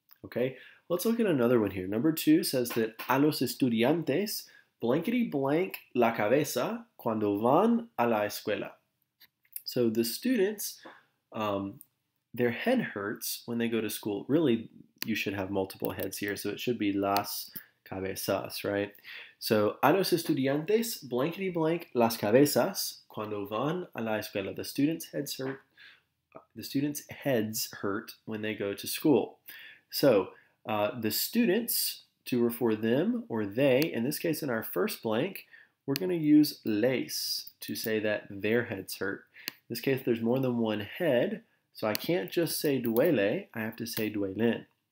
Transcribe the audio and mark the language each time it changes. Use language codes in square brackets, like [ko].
[en] Okay, let's look at another one here. Number two says that [es] a los estudiantes blankety blank la cabeza cuando van a la escuela. [en] So the students, their head hurts when they go to school. Really, you should have multiple heads here. So it should be [es] las cabezas, [en] right? [es] So a los estudiantes blankety blank las cabezas cuando van a la escuela. [en] The students' heads hurt. The students' heads hurt when they go to school. So the students, to refer them or they, in this case in our first blank, we're going to use les to say that their heads hurt. In this case, there's more than one head, so I can't just say duele, I have to say duelen.